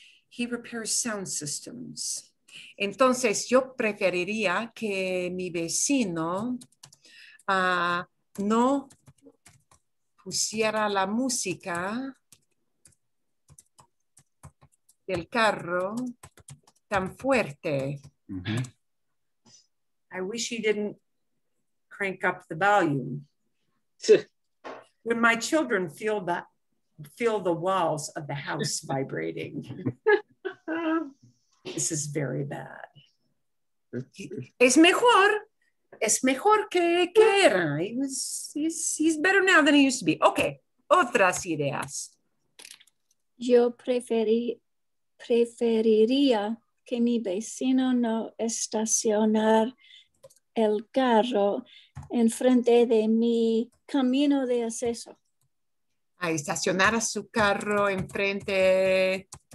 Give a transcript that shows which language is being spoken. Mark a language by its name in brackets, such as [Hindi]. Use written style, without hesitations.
[English] He repairs sound systems. [Spanish] Entonces, yo preferiría que mi vecino no pusiera la música del carro tan fuerte. Mm-hmm. [English] I wish he didn't crank up the volume. When my children feel the walls of the house vibrating, this is very bad. [Spanish] Es mejor que era. [English] He's better now than he used to be. [Spanish] Okay, otras ideas. Yo preferiría que mi vecino no estacionar el carro en frente de mi camino de acceso. A estacionar a su carro en frente de